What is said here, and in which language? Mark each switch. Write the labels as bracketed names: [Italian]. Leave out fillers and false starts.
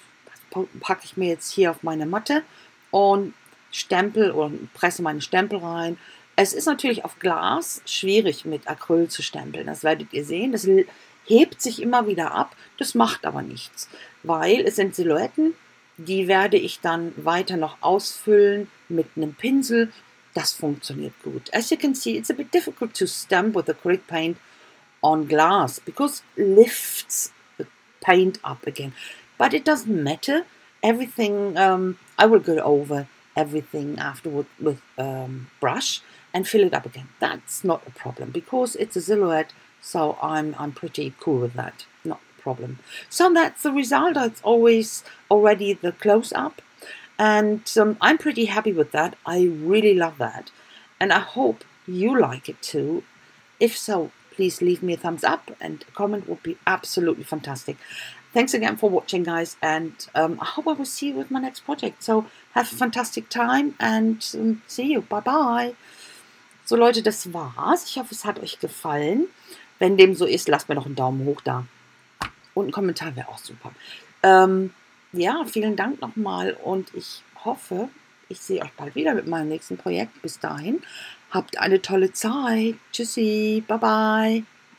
[German] Das packe ich mir jetzt hier auf meine Matte und stempel oder presse meine Stempel rein. Es ist natürlich auf Glas schwierig, mit Acryl zu stempeln. Das werdet ihr sehen. Das hebt sich immer wieder ab. Das macht aber nichts, weil es sind Silhouetten. Die werde ich dann weiter noch ausfüllen mit einem Pinsel. Das funktioniert gut. [English] As you can see, it's a bit difficult to stamp with acrylic paint on glass because it lifts the paint up again. But it doesn't matter. Everything, I will go over everything afterward with brush and fill it up again. That's not a problem because it's a silhouette, so I'm pretty cool with that. Not a problem. So that's the result. It's always already the close-up. And I'm pretty happy with that. I really love that. And I hope you like it too. If so, please leave me a thumbs up and a comment would be absolutely fantastic. Thanks again for watching, guys. And I hope I will see you with my next project. So have a fantastic time and see you. [German] Bye-bye. So, Leute, das war's. Ich hoffe, es hat euch gefallen. Wenn dem so ist, lasst mir noch einen Daumen hoch da. Und ein Kommentar wäre auch super. Ja, vielen Dank nochmal und ich hoffe, ich sehe euch bald wieder mit meinem nächsten Projekt. Bis dahin, habt eine tolle Zeit. Tschüssi, bye bye.